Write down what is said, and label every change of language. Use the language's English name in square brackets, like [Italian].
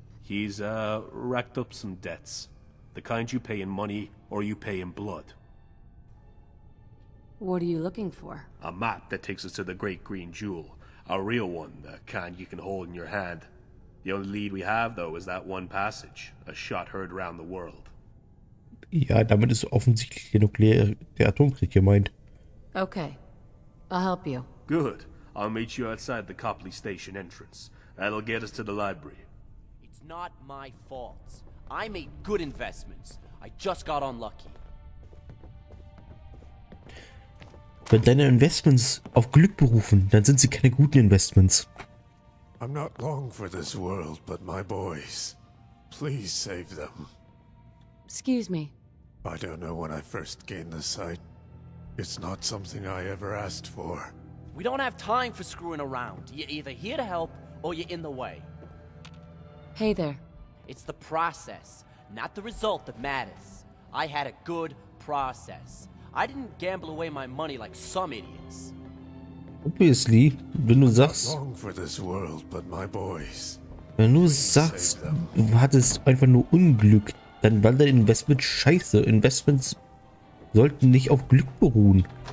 [English] He's, racked up some debts. The kind you pay in money, or you pay in blood. What are you looking for? A map that takes us to the Great Green Jewel. A real one, the kind you can hold in your hand. The only lead we have, though, is that one passage. A shot heard around the world. [German] Ja, damit ist offensichtlich der Atomkrieg gemeint. [English] Okay. I'll help you. Good. I'll meet you outside the Copley Station entrance. That'll get us to the library. It's not my fault. I made good investments. I just got unlucky. [German] Wenn deine Investments auf Glück berufen, dann sind sie keine guten Investments. [English] I'm not long for this world, but my boys. Please save them. Excuse me. I don't know when I first gained the sight. It's not something I ever asked for. We don't have time for screwing around. You're either here to help, or you're in the way. Hey there. It's the process, not the result that matters. I had a good process. I didn't gamble away my money like some idiots. Obviously, [German] wenn du sagst, [English] long for this world, but my boys, [German] wenn du sagst, du hattest einfach nur Unglück, dann war dein Investment scheiße. Investments sollten nicht auf Glück beruhen.